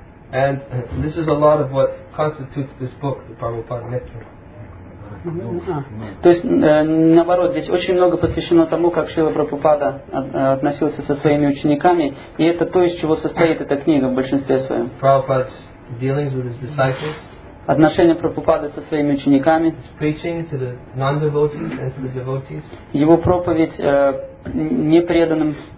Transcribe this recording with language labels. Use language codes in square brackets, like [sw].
[en] And this is a lot of what constitutes this book, the Prabhupada Nectar. [ru] То есть, наоборот, здесь очень много посвящено тому, как Шрила Прабхупада относился со своими учениками, и это то, из чего состоит эта книга в большинстве своем. [en] Prabhupada's dealings with his disciples. [ru] Отношения Прабхупады со своими учениками. [en] His preaching to the non-devotees and to the devotees. [ru] Его проповедь непреданным.